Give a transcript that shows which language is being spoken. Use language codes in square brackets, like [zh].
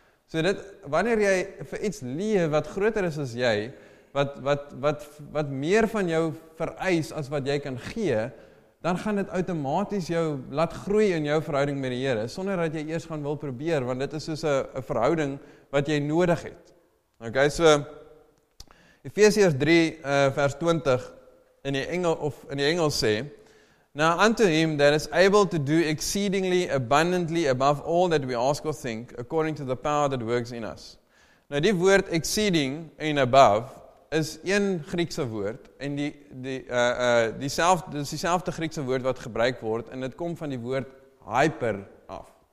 [af] So dit, wanneer jy vir iets leef wat groter is as jy, wat meer van jou vereis as wat jy kan gee, dan gaan dit outomaties jou laat groei in jou verhouding met die Here, sonder dat jy eers gaan wil probeer, want dit is soos 'n verhouding wat jy nodig het. [en] Okay, so, [af] Efesiërs 3 vers 20 in die Engels sê, [en] Now unto him that is able to do exceedingly abundantly above all that we ask or think, according to the power that works in us. [af] Nou die woord exceeding en above, is een Griekse woord, en dieselfde Griekse woord wat gebruik word, en dit kom van die woord hyper af.